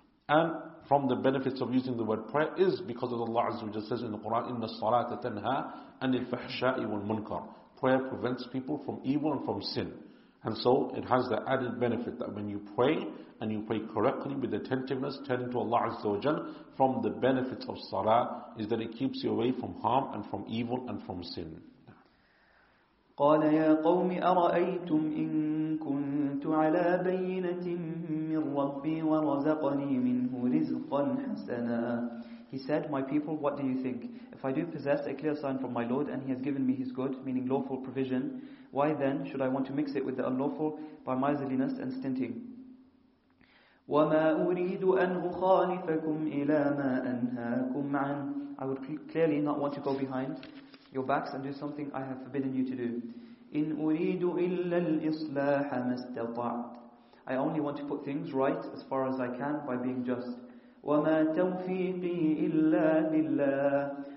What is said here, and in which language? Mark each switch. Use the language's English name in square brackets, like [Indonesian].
[English] And from the benefits of using the word prayer is because of Allah Azza wa Jalla says in the Quran, [Arabic] إِنَّ الصَّلَاةَ تَنْهَى أَنِ الْفَحْشَاءِ وَالْمُنْكَرِ [English] Prayer prevents people from evil and from sin. And so it has the added benefit that when you pray, and you pray correctly with attentiveness, turning to Allah Azza wa Jal, from the benefits of salah is that it keeps you away from harm and from evil and from sin. [Arabic] قال يا قوم أرأيتم إن كنت على بينة من ربي ورزقني منه رزقا حسنا [English] He said, My people, what do you think? If I do possess a clear sign from my Lord and he has given me his good, meaning lawful provision, why then should I want to mix it with the unlawful by miserliness and stinting? [Arabic] وَمَا أُرِيدُ أَنْ أُخَالِفَكُمْ إِلَى مَا أَنْهَاكُمْ عَنْ [English] I would clearly not want to go behind your backs and do something I have forbidden you to do. [Arabic] إِنْ أُرِيدُ إِلَّا الْإِصْلَاحَ مَا اسْتَطَعْتُ [English] I only want to put things right as far as I can by being just. [Arabic] وَمَا تَوْفِيقِي إِلَّا لِلَّهِ